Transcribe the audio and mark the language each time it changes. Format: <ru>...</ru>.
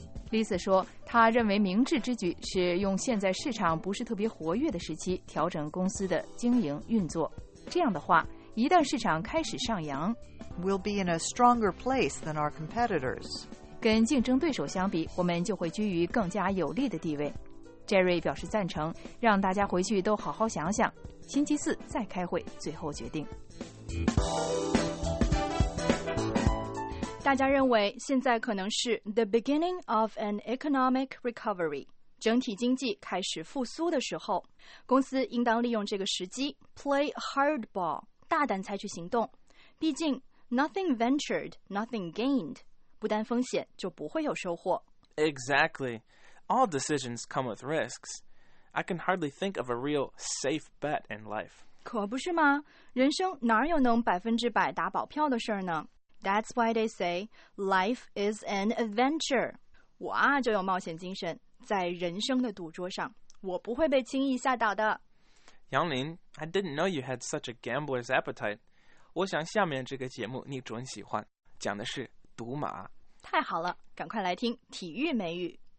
<zh>Lisa 说，他认为明智之举是用现在市场不是特别活跃的时期调整公司的经营运作。这样的话，一旦市场开始上扬</zh> <en>，We'll be in a stronger place than our competitors.</en> <zh>跟竞争对手相比，我们就会居于更加有利的地位。 Jerry 表示赞成，让大家回去都好好想想，星期四再开会，最后决定。大家认为现在可能是</zh> <en>the beginning of an economic recovery，</en> <zh>整体经济开始复苏的时候，公司应当利用这个时机</zh> <en>play hardball，</en> <zh>大胆采取行动。毕竟</zh> <en>nothing ventured, nothing gained，</en> <zh>不担风险就不会有收获。</zh> <en>Exactly, all decisions come with risks. I can hardly think of a real safe bet in life.</en> <zh>可不是吗？人生哪有能100%打保票的事儿呢？</zh> <en>That's why they say life is an adventure.</en> <zh>我啊就有冒险精神，在人生的赌桌上，我不会被轻易吓倒的。</zh> <en>杨林 ，I didn't know you had such a gambler's appetite.</en> <zh>我想下面这个节目你准喜欢，讲的是赌马。太好了，赶快来听体育美语。</zh>